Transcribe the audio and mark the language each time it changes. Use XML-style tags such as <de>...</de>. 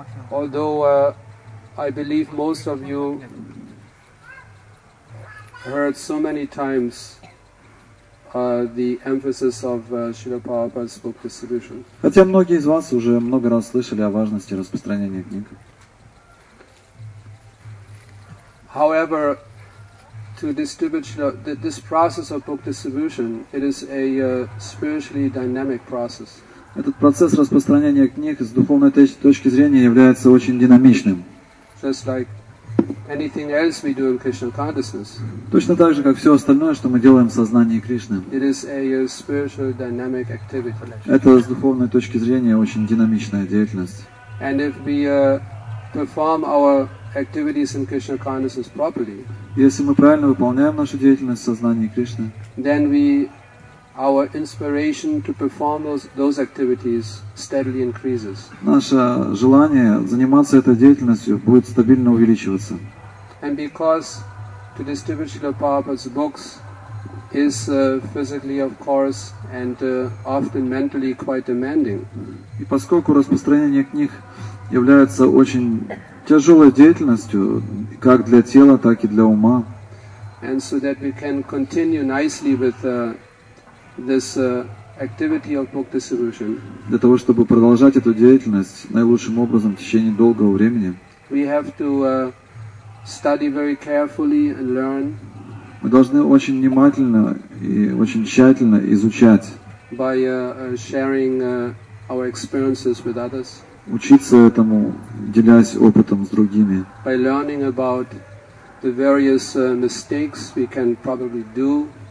<en>Although I believe most of you heard so many times the emphasis of Srila Prabhupada's book distribution.</en> <ru>Хотя многие из вас уже много раз слышали о важности распространения книг.</ru> <en>However, to distribute this process of book distribution, it is a spiritually dynamic process.</en> <ru>Этот процесс распространения книг с духовной точки зрения является очень динамичным.</ru> <en>Just like anything else we do in Krishna consciousness.</en> <ru>Точно так же, как все остальное, что мы делаем в сознании Кришны.</ru> <en>It is a spiritual dynamic activity.</en> <ru>Это с духовной точки зрения очень динамичная деятельность.</ru> <en>And if we perform our activities in Krishna consciousness properly.</en> <ru>Если мы правильно выполняем нашу деятельность в сознании Кришны.</ru> <en>Then our inspiration to perform those activities steadily increases.</en> <ru>Наше желание заниматься этой деятельностью будет стабильно увеличиваться.</ru> <en>And because to distribute Srila Prabhupada's books is physically, of course, and often mentally quite demanding.</en> <ru>И поскольку распространение книг является очень тяжелой деятельностью, как для тела, так и для ума.</ru> <en>And so that we can continue nicely with this activity of book distribution.</en> <ru>Для того, чтобы продолжать эту деятельность наилучшим образом в течение долгого времени.</ru> <en>We have to study very carefully and learn.</en> <ru>Мы должны очень внимательно и очень тщательно изучать.</ru> <en>By sharing our experiences with others.</en> <ru>Учиться этому, делясь опытом с другими.</ru> <en>By learning about the various mistakes we can probably do.</en>